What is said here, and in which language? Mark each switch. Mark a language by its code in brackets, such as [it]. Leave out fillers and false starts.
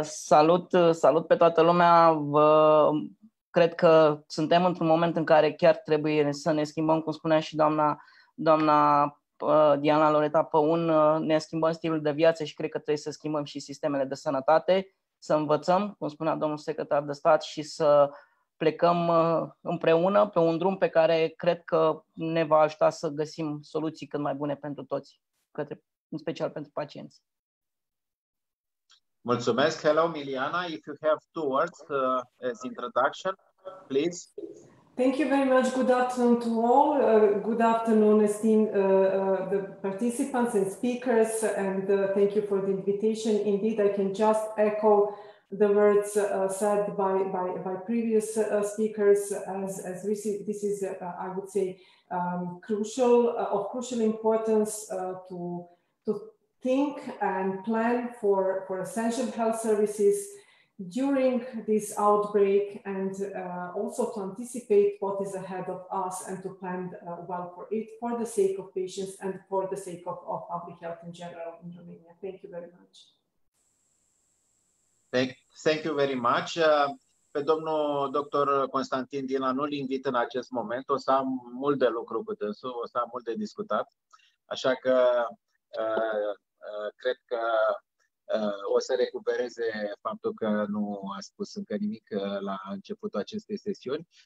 [ro] Salut pe toată lumea. Cred că suntem într-un moment în care chiar trebuie să ne schimbăm, cum spunea și doamna Diana Loreta Păun, ne schimbăm stilul de viață și cred că trebuie să schimbăm și sistemele de sănătate. Să învățăm, cum spunea domnul secretar de stat, și să plecăm împreună pe un drum pe care cred că ne va ajuta să găsim soluții cât mai bune pentru toți, în special pentru pacienți. Mulțumesc. Hello, Miliana. [en] If you have two words as introduction, please. Thank you very much. Good afternoon to all. Good afternoon, esteemed the participants and speakers, and thank you for the invitation. Indeed, I can just echo the words said by previous speakers, as this is, I would say, crucial importance to think and plan for essential health services during this outbreak, and also to anticipate what is ahead of us and to plan well for it, for the sake of patients and for the sake of public health in general in Romania. Thank you very much. Thank you very much. [ro] Pe domnul doctor Constantin Dina nu-l invit în acest moment. O să am mult de lucru cu dânsul, o să am mult de discutat. Așa că cred că o să recupereze faptul că nu a spus încă nimic la începutul acestei sesiuni.